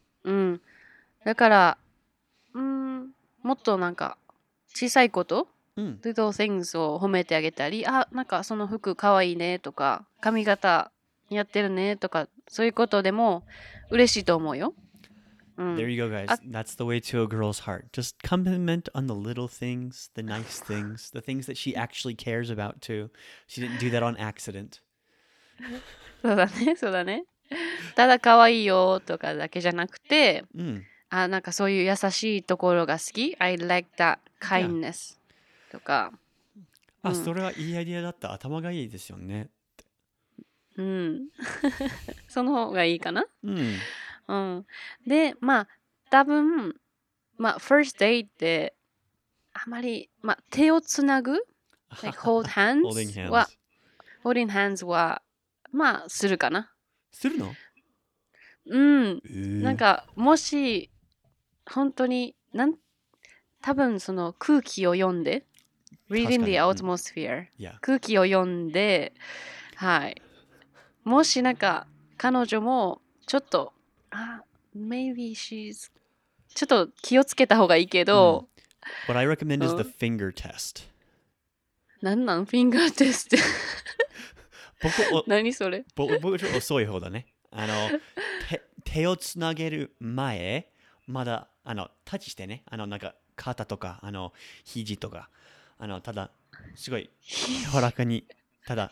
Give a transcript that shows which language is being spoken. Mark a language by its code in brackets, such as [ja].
[ja] うん。だから、うん、もっとなんか小さいこと、うん、 little things を褒めてあげたり、あ、なんかその服かわいいねとか、髪型似合ってるねとか、そういうことでも嬉しいと思うよ。 [en] There you go, guys. That's the way to a girl's heart. Just compliment on the little things, the nice things, the things that she actually cares about, too. She didn't do that on accident. [ja] そうだね、そうだね。ただ可愛いよとかだけじゃなくて、うん、あ、なんかそういう優しいところが好き。 [en] I like that kindness、yeah. [ja] とか。あ、うん、それはいいアイディアだった。頭がいいですよね。うん。その方がいいかな。うん。うん、でまあ多分まあ first date ってあまり、まあ、手をつなぐ like hold hands は holding hands はまあするかな。するの？うん、なんかもし本当に多分その空気を読んで reading the atmosphere、うん、 [en] yeah. [ja] 空気を読んで、はい、もしなんか彼女もちょっと Maybe she's... ちょっと気をつけた方がいいけど、うん、 [en] What I recommend is the finger test. [ja] 何なん？Finger test? 僕何それ？僕ちょっと遅い方だね。あの手をつなげる前、まだあのタッチしてね、あのなんか肩とかあの肘とか、あのただすごい柔らかに、ただ